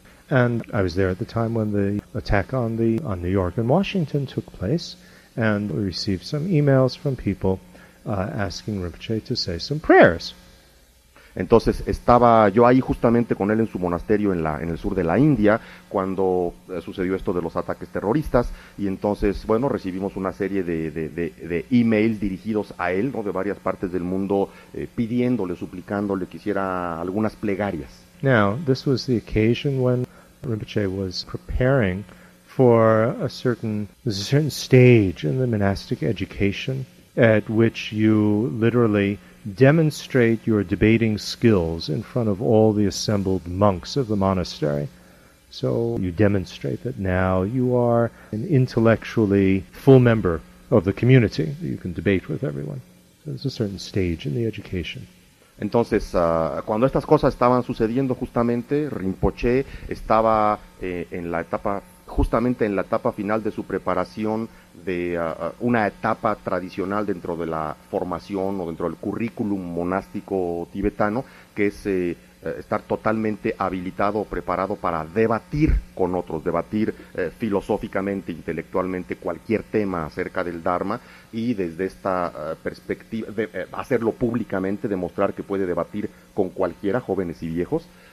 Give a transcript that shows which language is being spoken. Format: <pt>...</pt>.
<en>And I was there at the time when the attack on New York and Washington took place, and we received some emails from people asking Rinpoche to say some prayers.</en> <es>Entonces estaba yo ahí justamente con él en su monasterio en el sur de la India cuando sucedió esto de los ataques terroristas, y entonces bueno, recibimos una serie de emails dirigidos a él, ¿no?, de varias partes del mundo pidiéndole, suplicándole que hiciera algunas plegarias.</es> <en>Now, this was the occasion when Rinpoche was preparing for a certain stage in the monastic education at which you literally demonstrate your debating skills in front of all the assembled monks of the monastery. So you demonstrate that now you are an intellectually full member of the community. You can debate with everyone. So there's a certain stage in the education.</en> <es>Entonces, cuando estas cosas estaban sucediendo justamente, Rinpoche estaba en la etapa, justamente en la etapa final de su preparación de una etapa tradicional dentro de la formación o dentro del currículum monástico tibetano, que es estar totalmente habilitado o preparado para debatir con otros, debatir filosóficamente, intelectualmente cualquier tema acerca del Dharma, y desde esta perspectiva, hacerlo públicamente, demostrar que puede debatir con cualquiera, jóvenes y viejos,</es>